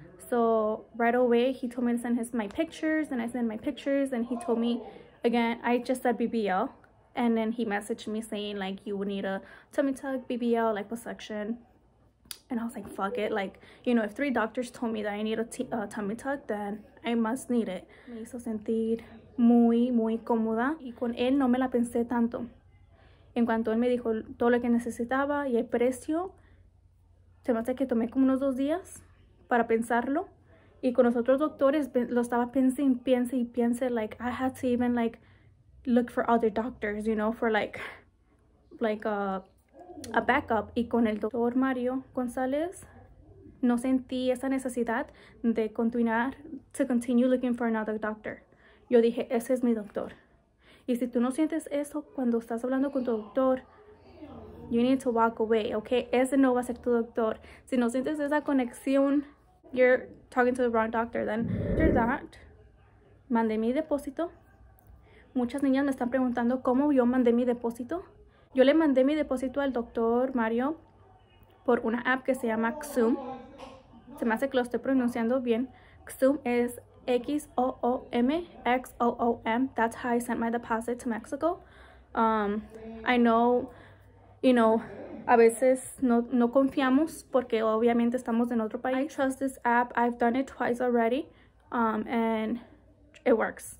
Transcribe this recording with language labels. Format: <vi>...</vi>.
<en>So right away, he told me to send my pictures, and I sent my pictures, and he told me, again, I just said BBL, and then he messaged me saying, like, you would need a tummy tuck, BBL, liposuction, and I was like, fuck it, like, you know, if three doctors told me that I need a tummy tuck, then I must need it.</en> <es>Me hizo sentir muy, muy cómoda, y con él no me la pensé tanto. En cuanto él me dijo todo lo que necesitaba y el precio, se me hace que tomé como unos dos días para pensarlo, y con los otros doctores lo estaba piense,</es> <en>like I had to even like look for other doctors, you know, for like a backup.</en> <es>Y con el doctor Mario González no sentí esa necesidad de continuar</es> <en>looking for another doctor.</en> <es>Yo dije, ese es mi doctor. Y si tú no sientes eso cuando estás hablando con tu doctor,</es> <en>you need to walk away, okay?</en> <es>Ese no va a ser tu doctor. Si no sientes esa conexión,</es> <en>you're talking to the wrong doctor. Then after that,</en> <es>mandé mi depósito. Muchas niñas me están preguntando cómo yo mandé mi depósito. Yo le mandé mi depósito al doctor Mario por una app que se llama Xoom. Se me hace que lo estoy pronunciando bien. Xoom es X-O-O-M, X-O-O-M.</es> <en>That's how I sent my deposit to Mexico. I know, you know,</en> <es>a veces no confiamos porque obviamente estamos en otro país.</es> <en>I trust this app. I've done it twice already, and it works.</en>